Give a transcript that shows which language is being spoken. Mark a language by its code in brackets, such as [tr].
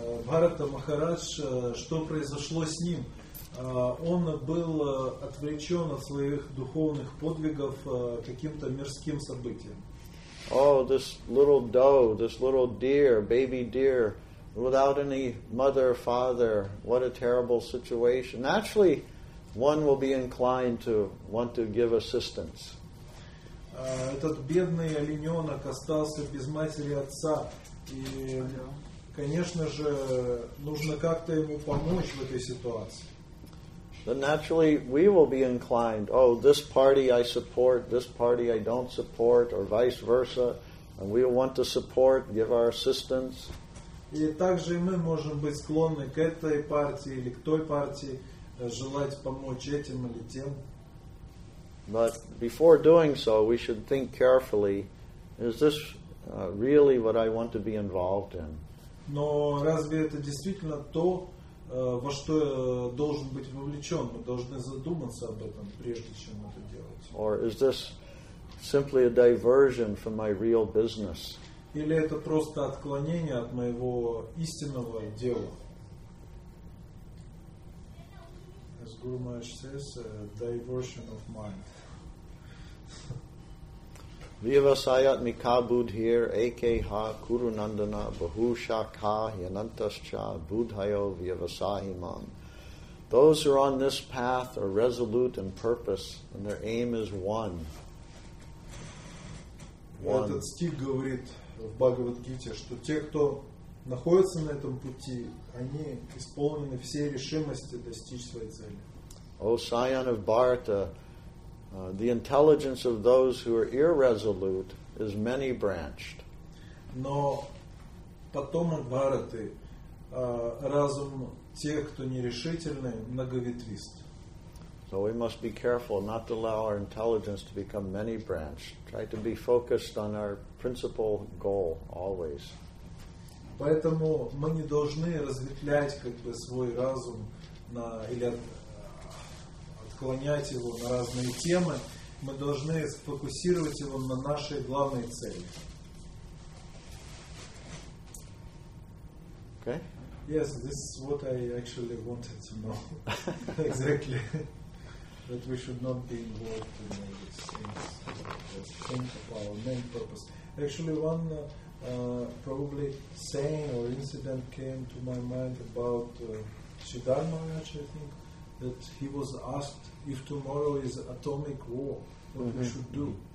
[ru] Бхарата Махарадж, что произошло с ним? Он был отвлечен от своих духовных подвигов каким-то мирским событием. [en] Oh, this little doe, this little deer, baby deer, without any mother or father, what a terrible situation. Naturally, one will be inclined to want to give assistance. [ru] Этот бедный олененок остался без матери и отца. И, конечно же, нужно как-то ему помочь в этой ситуации. [en] Then naturally we will be inclined, oh, this party I support, this party I don't support, or vice versa, and we want to support, give our assistance. [ru] И также мы можем быть склонны к этой партии или к той партии, желать помочь этим или тем. [en] But before doing so, we should think carefully, is this really what I want to be involved in? [ru] Но разве это действительно то, во что я должен быть вовлечен? Мы должны задуматься об этом, прежде чем это делать. [en] Or is this simply a diversion from my real business? [ru] Или это просто отклонение от моего истинного дела? [en] As Guru Maharaj says, a diversion of mind. [sa] Vivasayat Mikabudhir Akeha Kuru Nandana Bahusha Ka Yanantascha Budhayo Vivasahimam. [en] Those who are on this path are resolute in purpose and their aim is one. [ru] Этот стих говорит в Бхагавадгите, что те, кто находится на этом пути, они исполнены всей решимости достичь своей цели. [en] O Sayan of Bharata, the intelligence of those who are irresolute is many branched. [ru] Но потомок Бхараты, разум тех, кто нерешительный, многоветвист. [en] So we must be careful not to allow our intelligence to become many branched. Try to be focused on our principal goal always. [ru] Поэтому мы не должны разветвлять как бы свой разум на или склонять его на разные темы, мы должны сфокусировать его на нашей главной цели. [en] Okay. Yes, this is what I actually wanted to know. Exactly. That we should not be involved in all these things. Think of our main purpose. Actually, one probably saying or incident came to my mind about Sridhar Maharaj, I think, that he was asked if tomorrow is atomic war, what mm-hmm. we should do.